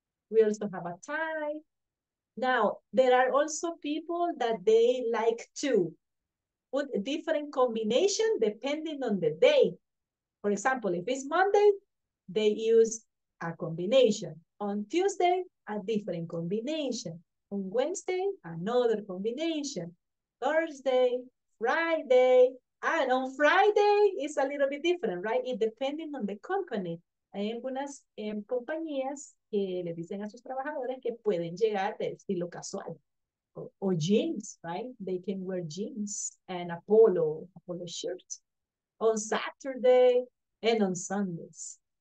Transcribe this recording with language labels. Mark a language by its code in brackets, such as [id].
[en] We also have a tie. Now, there are also people that they like to put a different combination depending on the day. For example, if it's Monday, they use a combination. On Tuesday, a different combination. On Wednesday, another combination. Thursday, Friday, and on Friday, it's a little bit different, right? It depending on the company. [es] Hay algunas compañías que le dicen a sus trabajadores que pueden llegar de estilo casual. [en] O jeans, right? They can wear jeans and a polo, shirt on Saturday and on Sundays.